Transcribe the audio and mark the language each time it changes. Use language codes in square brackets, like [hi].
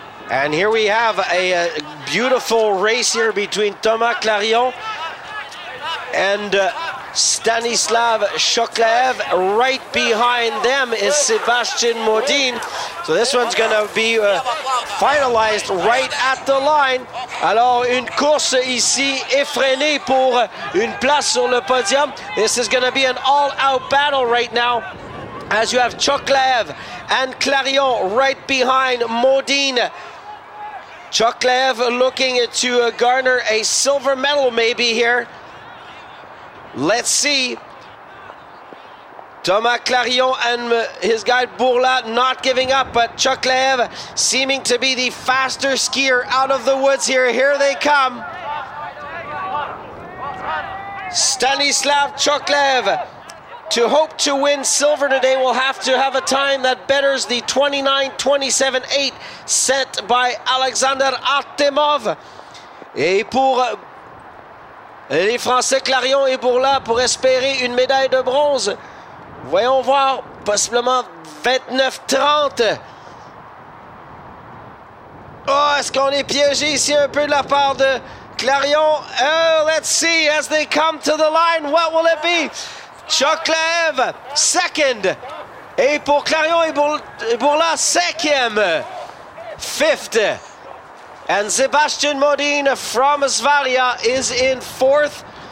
[en] And here we have a beautiful race here between Thomas Clarion and Stanislav Shoklaev. Right behind them is Sebastian Modin. So this one's going to be finalized right at the line. [fr] Alors, une course ici effrénée pour une place sur le podium. [en] This is going to be an all-out battle right now, as you have Shoklaev and Clarion right behind Modin. Shoklaev looking to garner a silver medal maybe here. Let's see. Thomas Clarion and his guide Bourla not giving up, but Shoklaev seeming to be the faster skier out of the woods here. Here they come. Stanislav Shoklaev, to hope to win silver today, will have to have a time that betters the 29:27.8 set by Alexander Artemov. [fr] Et pour les Français Clarion et Bourla, pour espérer une médaille de bronze, voyons voir, possiblement 29:30. Oh, est-ce qu'on est piégé ici un peu de la part de Clarion? [en] Oh, let's see, as they come to the line, what will it be? Shoklaev, second. [fr] Et pour Clarion et Bourla, cinquième. [en] Fifth. And Sebastian Modin from Svalia is in fourth.